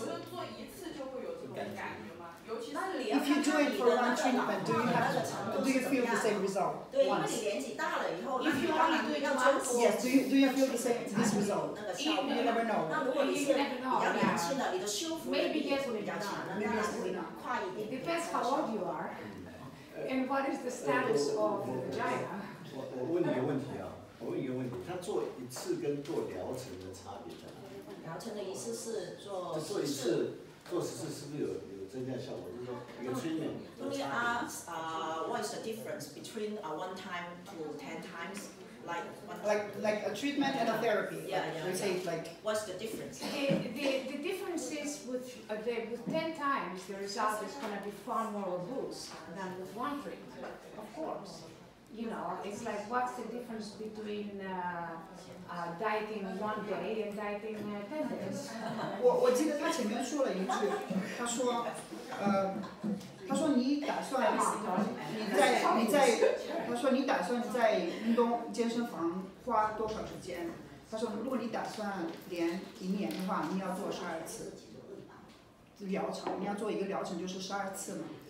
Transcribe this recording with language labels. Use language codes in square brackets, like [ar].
[zh] 我就做一次就会有这种感觉吗？尤其是你要看你的那个程度是怎么样。 [en] Do you feel the same result? [zh] 对，因为你年纪大了以后。 [en] If you only do it once. Yes. Do you feel the same this result? You never know. [zh] 那如果你是比较年轻的，你的修复力比较强，那会快一点。 [en] Depends how old you are. And what is the status of the vagina? [zh] 我问你一个问题，他做一次跟做疗程的差别在哪？疗程的意思是做十次，做一次做十次是不是有增加效果？就是说一个催眠。 [en] Let me ask, what is the difference between a one time to ten times? Like a treatment and a therapy. Yeah. What's the difference? The difference is with 10 times, the result is going to be far more robust than with one treatment, of course. You know, it's like, what's the difference between dieting one day and dieting 10 days? [zh] 我记得他前面说了一句，他说，他说你打算你在他说你打算在运动健身房花多少时间？他说如果你打算连一年的话，你要做十二次疗程，你要做一个疗程就是十二次嘛。